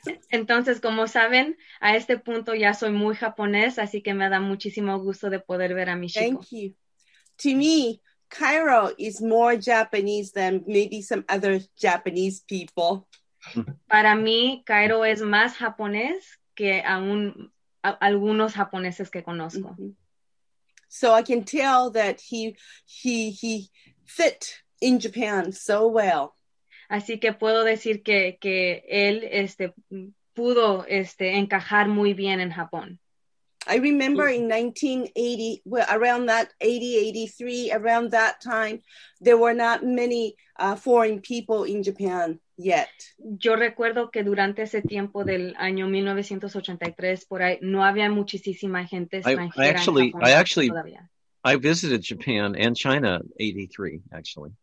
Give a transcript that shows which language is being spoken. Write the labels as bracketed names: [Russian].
[Spanish] Entonces, como saben, a este punto ya soy muy japonés, así que me da muchísimo gusto de poder ver a Michiko. [English] Thank you. To me, Cairo is more Japanese than maybe some other Japanese people. [Spanish] Para mí, Cairo es más japonés que algunos japoneses que conozco. Mm-hmm. [English] So I can tell that he fit in Japan so well. [Spanish] Así que puedo decir que él pudo encajar muy bien en Japón. [English] I remember in 1980, well, around that 80, 83, around that time, there were not many foreign people in Japan yet. [Spanish] Yo recuerdo que durante ese tiempo del año 1983, por ahí, no había muchísima gente extranjera [English] I actually, I visited Japan and China in 83, actually.